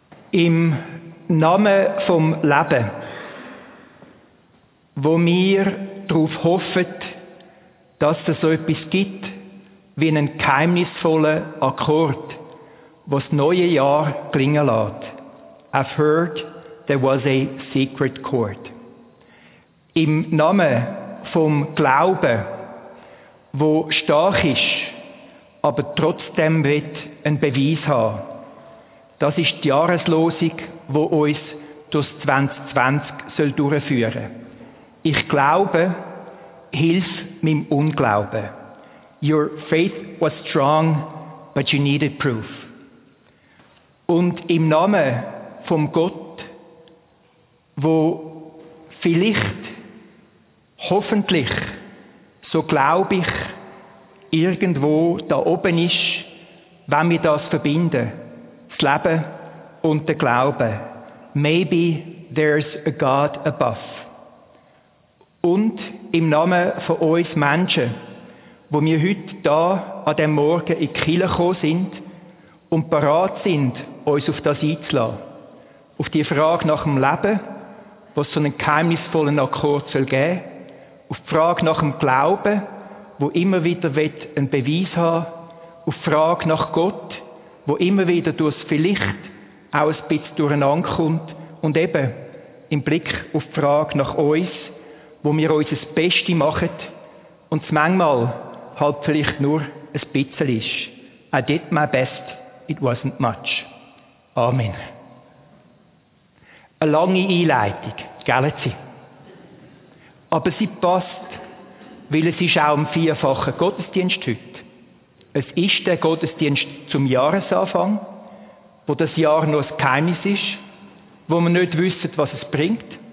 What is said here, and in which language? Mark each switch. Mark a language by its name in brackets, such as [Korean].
[German] im Namen vom Leben, wo wir darauf hoffen, dass es so etwas gibt wie einen geheimnisvollen Akkord, was das neue Jahr klingen lässt. [English] I've heard there was a secret chord. [German] Im Namen vom Glauben, wo stark ist, aber trotzdem wird ein Beweis haben. Das ist die Jahreslosung, die uns durch 2020 durchführen soll. Ich glaube, hilf meinem Unglauben. [English] Your faith was strong, but you needed proof. [German] Und im Namen vom Gott, wo vielleicht, hoffentlich, so glaube ich, irgendwo da oben ist, wenn wir das verbinden, das Leben und der Glaube. [English] Maybe there's a God above. [German] Und im Namen von uns Menschen, wo wir heute da an dem Morgen in die Kirche gekommen sind und bereit sind, uns auf das einzulassen. Auf die Frage nach dem Leben, wo es so einen geheimnisvollen Akkord geben soll. Auf die Frage nach dem Glauben, wo immer wieder einen Beweis haben will. Auf die Frage nach Gott, wo immer wieder durchs Vielleicht auch ein bisschen durcheinander kommt. Und eben im Blick auf die Frage nach uns, wo wir unser Bestes machen und es manchmal halt vielleicht nur ein bisschen ist. [English] I did my best, it wasn't much. [German] Amen. Eine lange Einleitung, gelten Sie? Aber sie passt, weil es ist auch ein vierfacher Gottesdienst heute. Es ist der Gottesdienst zum Jahresanfang, wo das Jahr noch ein Geheimnis ist, wo wir nicht wissen, was es bringt.